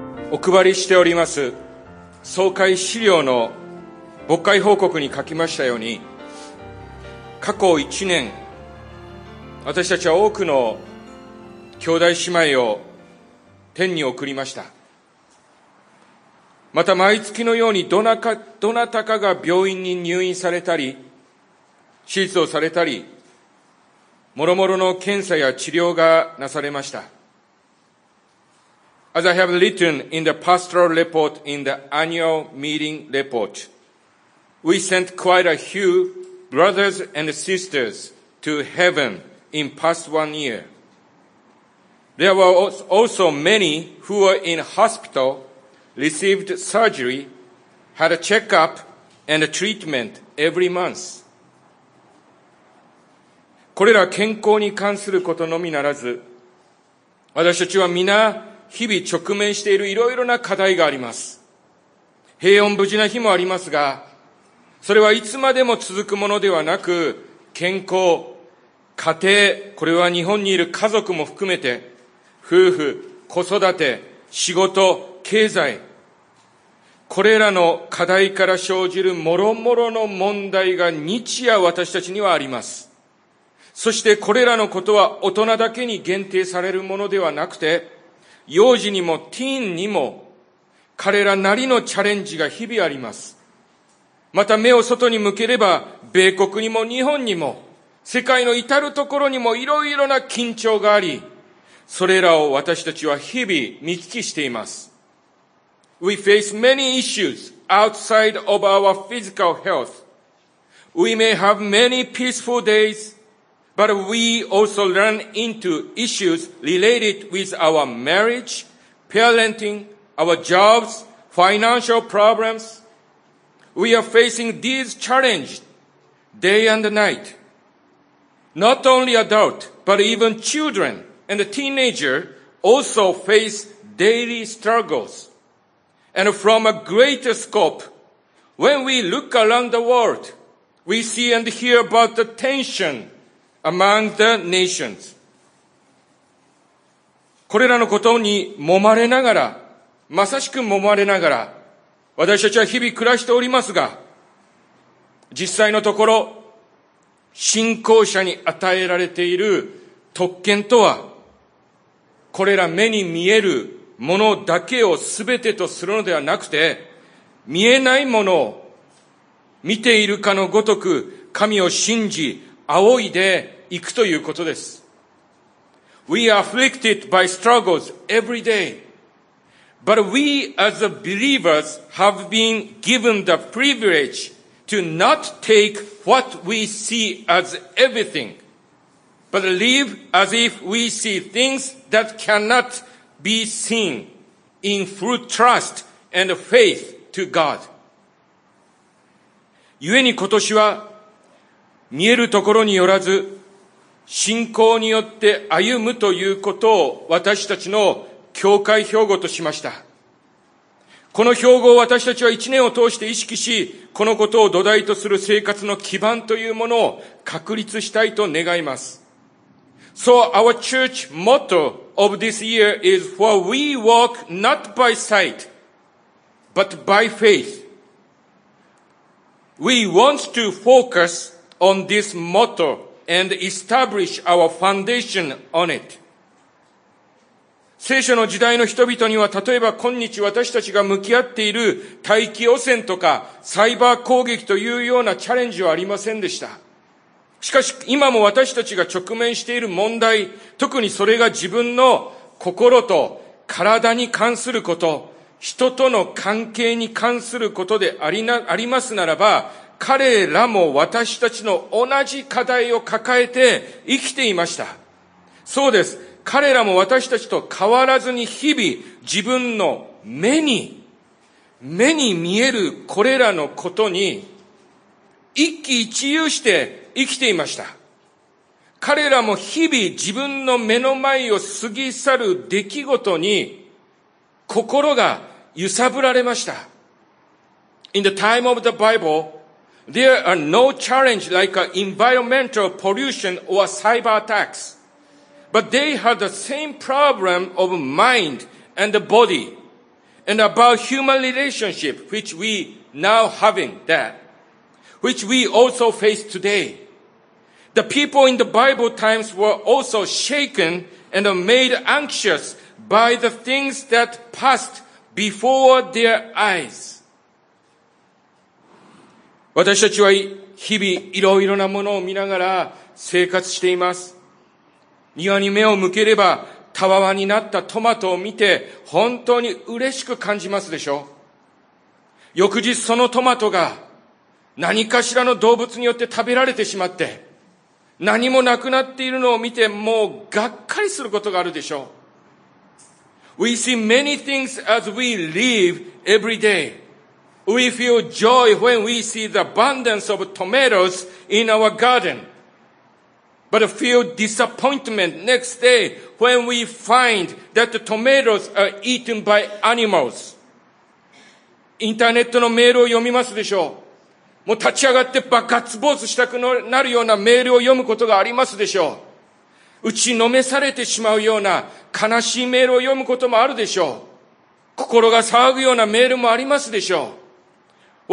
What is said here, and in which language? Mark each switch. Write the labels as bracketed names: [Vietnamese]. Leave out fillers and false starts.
[Japanese] お配りしております総会資料の牧会報告に書きましたように、過去1年私たちは多くの兄弟姉妹を天に送りました。また毎月のようにどなたかが病院に入院されたり手術をされたり、もろもろの検査や治療がなされました。 [English] As I have written in the pastoral report in the annual meeting report, we sent quite a few brothers and sisters to heaven in past 1 year. There were also many who were in hospital, received surgery, had a checkup and a treatment every month. [Japanese] これら健康に関することのみならず、私たちは皆日々直面しているいろいろな課題があります。平穏無事な日もありますが、それはいつまでも続くものではなく、健康、家庭、これは日本にいる家族も含めて、夫婦、子育て、仕事、経済、これらの課題から生じるもろもろの問題が日夜私たちにはあります。そしてこれらのことは大人だけに限定されるものではなくて、幼児にもティーンにも彼らなりのチャレンジが日々あります。また目を外に向ければ、米国にも日本にも世界の至るところにもいろいろな緊張があり、それらを私たちは日々見聞きしています。 [English] We face many issues outside of our physical health. We may have many peaceful daysBut we also run into issues related with our marriage, parenting, our jobs, financial problems. We are facing these challenges day and night. Not only adults, but even children and teenagers also face daily struggles. And from a greater scope, when we look around the world, we see and hear about the tension. Among the nations. [Japanese] これらのことに揉まれながら、まさしく揉まれながら、私たちは日々暮らしておりますが、実際のところ、信仰者に与えられている特権とは、これら目に見えるものだけを全てとするのではなくて、見えないものを見ているかのごとく、神を信じ、仰いで、行くということです。 [English] We are afflicted by struggles every day, but we as believers have been given the privilege to not take what we see as everything, but live as if we see things that cannot be seen in full trust and faith to God. [Japanese] ゆえに今年は見えるところによらず、信仰によって歩むということを私たちの教会標語としました。この標語を私たちは一年を通して意識し、このことを土台とする生活の基盤というものを確立したいと願います。 [English] So our church motto of this year is for we walk not by sight, but by faith.We want to focus on this motto. And establish our foundation on it. [Japanese] 聖書の時代の人々には、例えば今日私たちが向き合っている大気汚染とかサイバー攻撃というようなチャレンジはありませんでした。しかし今も私たちが直面している問題、特にそれが自分の心と体に関すること、人との関係に関することでありますならば、彼らも私たちの同じ課題を抱えて生きていました。そうです。彼らも私たちと変わらずに日々自分の目に、目に見えるこれらのことに一喜一憂して生きていました。彼らも日々自分の目の前を過ぎ去る出来事に心が揺さぶられました。 [English] In the time of the Bible, there are no challenge like environmental pollution or cyber attacks, but they had the same problem of mind and the body, and about human relationship which we now having that, which we also face today. The people in the Bible times were also shaken and made anxious by the things that passed before their eyes. [Japanese] 私たちは日々いろいろなものを見ながら生活しています。庭に目を向ければたわわになったトマトを見て本当に嬉しく感じますでしょう。翌日そのトマトが何かしらの動物によって食べられてしまって何もなくなっているのを見てもうがっかりすることがあるでしょう。 [English] We see many things as we live every day. We feel joy when we see the abundance of tomatoes in our garden. But feel disappointment next day when we find that the tomatoes are eaten by animals. [Japanese] インターネットのメールを読みますでしょう。もう立ち上がってバカツボースしたくなるようなメールを読むことがありますでしょう。打ちのめされてしまうような悲しいメールを読むこともあるでしょう。心が騒ぐようなメールもありますでしょう。